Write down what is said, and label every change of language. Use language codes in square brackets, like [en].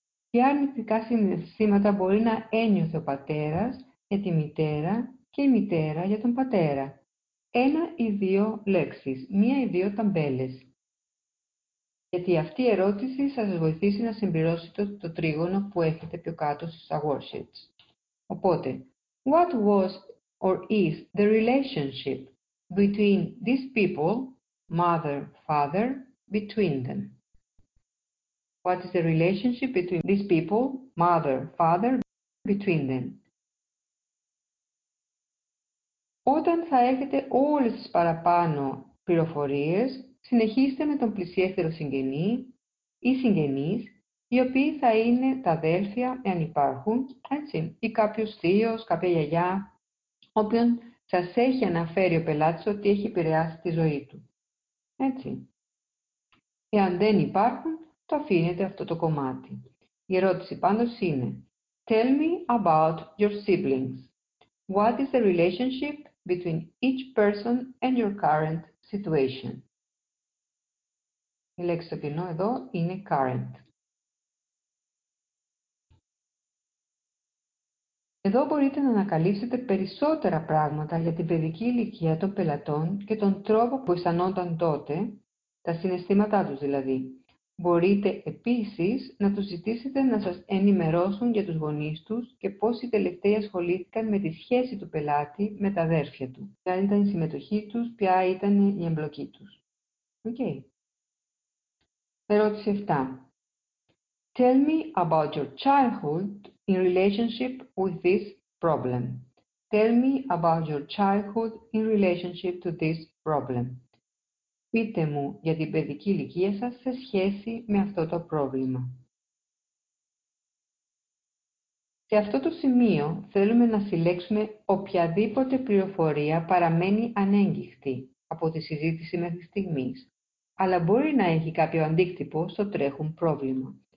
[el] Ποια αρνητικά συναισθήματα μπορεί να ένιωθε ο πατέρας για τη μητέρα και η μητέρα για τον πατέρα? Ένα ή δύο λέξεις, μία ή δύο ταμπέλες. Γιατί αυτή η ερώτηση θα σας βοηθήσει να συμπληρώσετε το τρίγωνο που έχετε πιο κάτω στα worksheets. Οπότε, [en] what was or is the relationship between these people, mother, father, between them? What is the relationship between these people, mother, father, between them? [el] Όταν θα έχετε όλες τις παραπάνω πληροφορίες, συνεχίστε με τον πλησιέστερο συγγενή ή συγγενείς, οι οποίοι θα είναι τα αδέλφια, εάν υπάρχουν, έτσι, ή κάποιος θείος, κάποια γιαγιά, όποιον σας έχει αναφέρει ο πελάτης ότι έχει επηρεάσει τη ζωή του. Έτσι. Εάν δεν υπάρχουν, το αφήνετε αυτό το κομμάτι. Η ερώτηση πάντως είναι [en] «Tell me about your siblings. What is the relationship between each person and your current situation?» [el] Η λέξη το κοινό εδώ είναι «current». Εδώ μπορείτε να ανακαλύψετε περισσότερα πράγματα για την παιδική ηλικία των πελατών και τον τρόπο που αισθανόταν τότε, τα συναισθήματά τους δηλαδή. Μπορείτε επίσης να τους ζητήσετε να σας ενημερώσουν για τους γονείς τους και πώς οι τελευταίοι ασχολήθηκαν με τη σχέση του πελάτη με τα αδέρφια του. Ποια ήταν η συμμετοχή τους, ποια ήταν η εμπλοκή τους. Okay. Ερώτηση 7. [en] Tell me about your childhood in relationship with this problem. Tell me about your childhood in relationship to this problem. [el] Πείτε μου για την παιδική ηλικία σας σε σχέση με αυτό το πρόβλημα. Σε αυτό το σημείο θέλουμε να συλλέξουμε οποιαδήποτε πληροφορία παραμένει ανέγγιχτη από τη συζήτηση μέχρι στιγμής, αλλά μπορεί να έχει κάποιο αντίκτυπο στο τρέχον πρόβλημα.